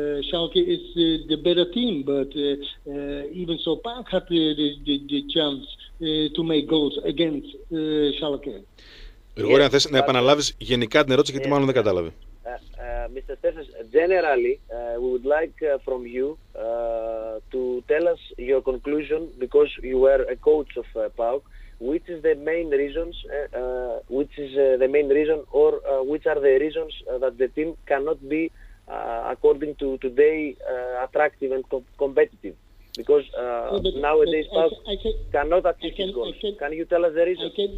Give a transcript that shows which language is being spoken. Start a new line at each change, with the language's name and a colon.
English: Schalke is the better team, but even so, Park had the chance to make goals against Schalke.
Greek: Γρηγόρη, αν θες να επαναλάβεις γενικά την ερώτηση, γιατί μάλλον δεν κατάλαβε.
English: Mr. Stephens, generally, we would like from you to tell us your conclusion, because you were a coach of Park. Which is the main reasons? Which is the main reason, or which are the reasons that the team cannot be according to today, attractive and competitive, because nowadays PAOK cannot achieve his goals. Can you tell us the reason?